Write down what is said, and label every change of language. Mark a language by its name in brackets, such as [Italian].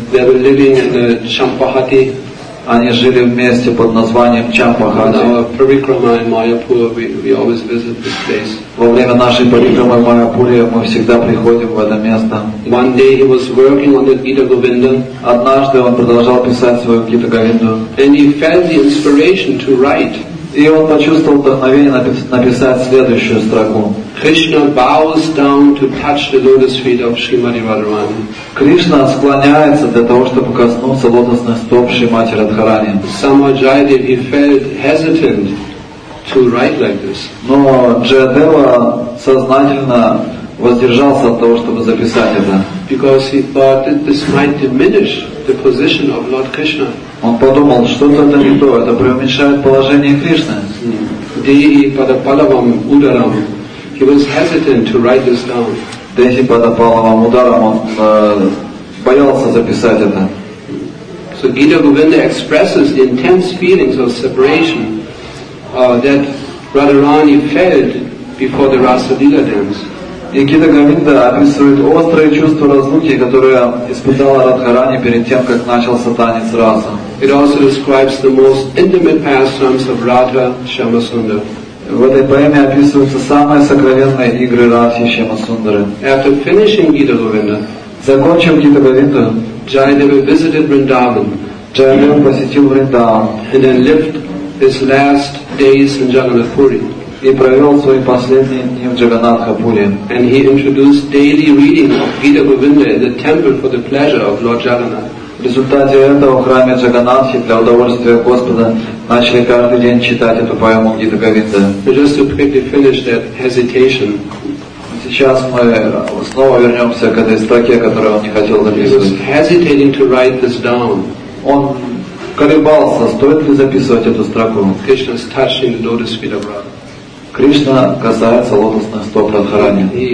[English] They were living in the Champahati. [Russian] Они жили вместе под названием Чампахати. [English] Our parikrama in Mayapur, we always visit this place. [Russian] Во время нашей парикрамы в Майяпуре мы всегда приходим в это место. [English] One day he was working on the Gita Govinda. [Russian] Однажды он продолжал писать свою Гита Говинду. [English] And he felt the inspiration to write. [Russian] И он почувствовал вдохновение написать следующую строку. [English] Krishna bows down to touch the lotus feet of Srimati Radharani. [Russian] Кришна склоняется для того, чтобы коснуться лотосных стоп Шримати Радхарани. [English] Somehow Jayadev, he felt hesitant to write like this. [Russian] Но Джаядева сознательно воздержался от того, чтобы записать это. [English] Because he thought that this might diminish the position of Lord Krishna. [Russian] Он подумал, что-то это не то, это преуменьшает положение Кришны. [Sanskrit] Деи Падапалавам Ударам, [English] he was hesitant to write this down. [Sanskrit] Деи Падапалавам Ударам, [Russian] он боялся записать это. [English] So Gita Govinda expresses intense feelings of separation that Radharani felt before the Rasa Lila dance. [Russian] И Гита Говинда описывает острое чувство разлуки, которое испытала Радхарани перед тем, как начался танец Раса. [English] It also describes the most intimate pastimes of Radha Shyamasundara. [Russian] В этой поэме описываются самые сокровенные игры Радхи Шьямасундары. [English] After finishing Gita Govinda, [Russian] закончив Гита Говинду, [English] Jayadeva visited Vrindavan. [Russian] Jayadeva посетил Вриндаван. [English] And then lived his last days in Jagannath Puri. [Russian] И провел свои последние дни в Джаганнатхапуре. [English] And he introduced daily reading of Gita Govinda in the temple for the pleasure of Lord Jagannath. [Russian] В результате этого в храме Джаганнатхи для удовольствия Господа начали каждый день читать эту поэму Гита Говинда. [English] Just to quickly finish that hesitation. [Russian] Сейчас мы снова вернемся к этой строке, которую он не хотел записывать. [English] He was hesitating to write this down. [Russian] Он колебался, стоит ли записывать эту строку. [English] Krishna is touching the lotus feet of Radha. [Russian] Кришна касается лотосных стоп Радхарани.